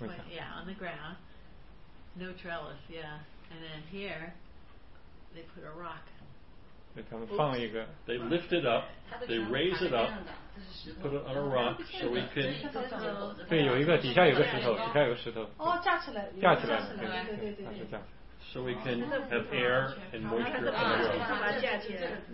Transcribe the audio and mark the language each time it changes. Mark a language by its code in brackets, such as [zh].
[en] Yeah, on the ground. No trellis, yeah. And then here, they put a rock. [zh] 对，他们放一个。 [en] They lift it up, they raise it up, put it on a rock so we can. [zh] 对，有一个底下有个石头，底下有石头。哦，架起来。架起来。对对对对。 [en] So we can have air and moisture in the room.